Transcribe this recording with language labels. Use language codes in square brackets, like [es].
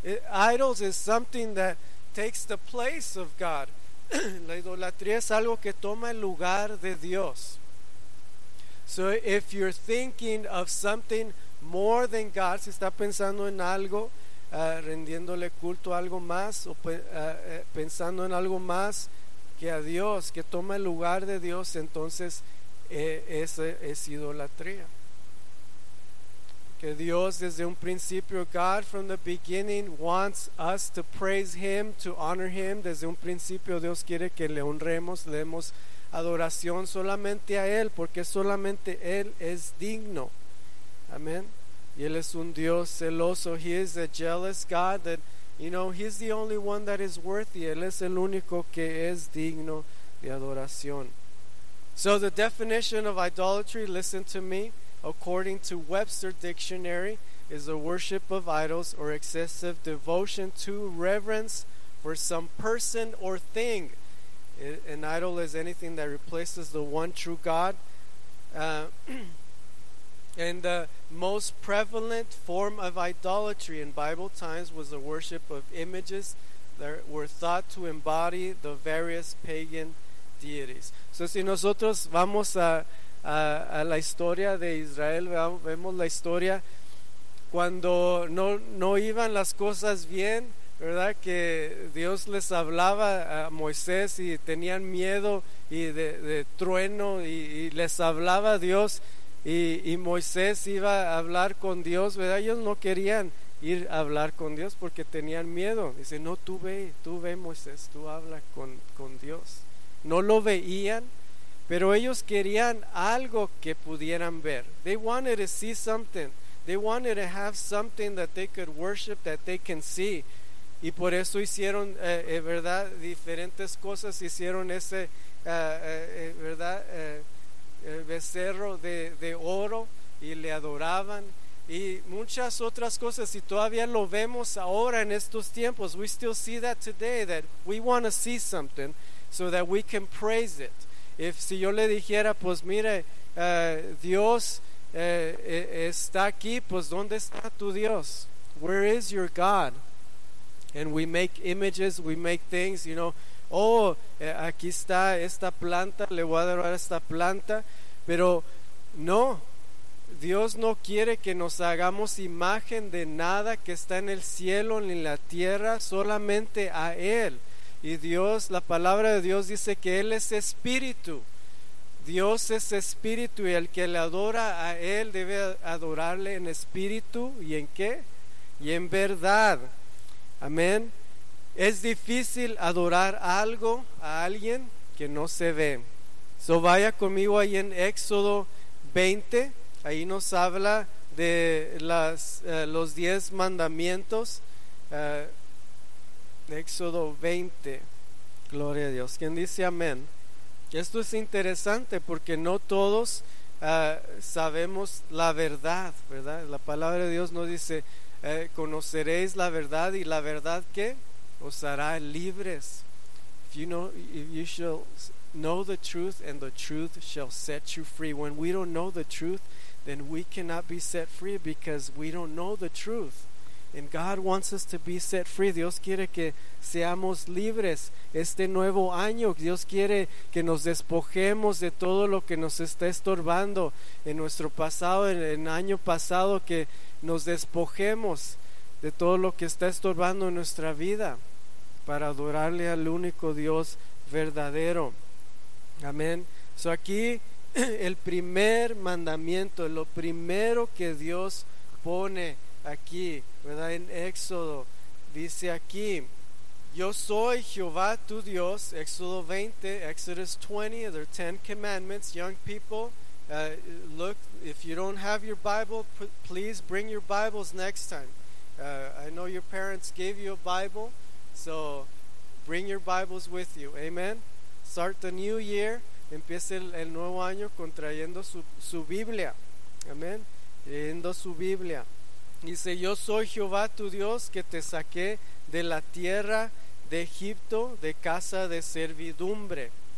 [en] Idols is something that takes the place of God. [es] La idolatría es algo que toma el lugar de Dios. [en] So if you're thinking of something more than God, [es] si está pensando en algo, rendiéndole culto a algo más, o pensando en algo más que a Dios, que toma el lugar de Dios, entonces esa es idolatría. Que Dios desde un principio, [en] God from the beginning wants us to praise Him, to honor Him. [es] Desde un principio Dios quiere que le honremos, le demos adoración solamente a Él, porque solamente Él es digno. Amén. Y Él es un Dios celoso. [en] He is a jealous God that, you know, He's the only one that is worthy. [es] Él es el único que es digno de adoración. [en] So the definition of idolatry, listen to me. According to Webster Dictionary, is the worship of idols or excessive devotion to reverence for some person or thing. An idol is anything that replaces the one true God. And the most prevalent form of idolatry in Bible times was the worship of images that were thought to embody the various pagan deities. [es] So si nosotros vamos a la historia de Israel, vemos la historia cuando no iban las cosas bien, ¿verdad? Que Dios les hablaba a Moisés y tenían miedo y de trueno y les hablaba Dios y Moisés iba a hablar con Dios, ¿verdad? Ellos no querían ir a hablar con Dios porque tenían miedo. Dice, no, tú ve Moisés, tú habla con Dios. No lo veían, pero ellos querían algo que pudieran ver. [en] They wanted to see something. They wanted to have something that they could worship, that they can see. [es] Y por eso hicieron, ¿verdad? Diferentes cosas. Hicieron ese, ¿verdad? Becerro de oro y le adoraban. Y muchas otras cosas. Y todavía lo vemos ahora en estos tiempos. [en] We still see that today, that we want to see something so that we can praise it. [es] Si yo le dijera, pues mire, Dios está aquí, pues ¿dónde está tu Dios? [en] Where is your God? And we make images, we make things, you know. [es] Oh, aquí está esta planta, le voy a adorar esta planta. Pero no, Dios no quiere que nos hagamos imagen de nada que está en el cielo ni en la tierra, solamente a Él. Y Dios, la palabra de Dios dice que Él es espíritu. Dios es espíritu y el que le adora a Él debe adorarle en espíritu. ¿Y en qué? Y en verdad. Amén. Es difícil adorar algo, a alguien, que no se ve. So vaya conmigo ahí en Éxodo 20, ahí nos habla de los 10 mandamientos. Éxodo 20, gloria a Dios, ¿quién dice amén? Esto es interesante porque no todos sabemos la verdad, ¿verdad? La palabra de Dios nos dice, conoceréis la verdad y la verdad que os hará libres. [en] If you know, if you shall know the truth and the truth shall set you free. When we don't know the truth, then we cannot be set free because we don't know the truth. And God wants us to be set free. [es] Dios quiere que seamos libres este nuevo año. Dios quiere que nos despojemos de todo lo que nos está estorbando en nuestro pasado, en el año pasado, que nos despojemos de todo lo que está estorbando en nuestra vida para adorarle al único Dios verdadero. Amén. So aquí el primer mandamiento, lo primero que Dios pone aquí, ¿verdad? En Éxodo dice aquí, yo soy Jehová tu Dios. [en] Éxodo 20, Exodus 20, the 10 commandments. Young people, look, if you don't have your Bible, please bring your Bibles next time. I know your parents gave you a Bible, so bring your Bibles with you. Amen. Start the new year, [es] empiece el nuevo año contrayendo su Biblia. Amen. Leyendo su Biblia. Dice, yo soy Jehová tu Dios que te saqué de la tierra de Egipto, de casa de servidumbre.